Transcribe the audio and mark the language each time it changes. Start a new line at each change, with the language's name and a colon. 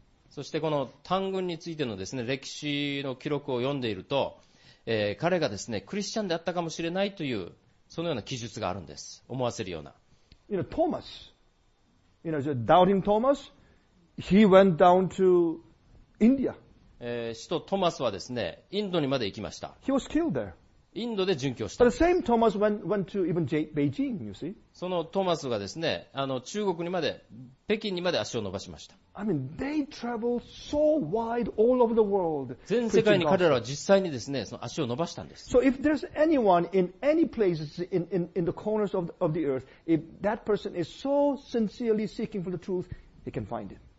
Japanese: そしてこの Tan Gun についてのですね、歴史の記録を読んでいると、彼がですね、クリスチャンであったかもしれないという、そのような記述があるんです。思わせるような。
English: You know, Thomas, you know, doubting Thomas, he went down to India.
Japanese: 使徒トマスはですね、インドにまで行きました。
English: He was killed there.
Japanese: インドで殉教した。
English: But the same Thomas went to even Beijing, you see.
Japanese: そのトマスがですね、中国にまで、北京にまで足を伸ばしました。
English: I mean, they traveled so wide all over the world.
Japanese: 全世界に彼らは実際にですね、その足を伸ばしたんです。
English: So if there's anyone in any places in the corners of the earth, if that person is so sincerely seeking for the truth, he can find it.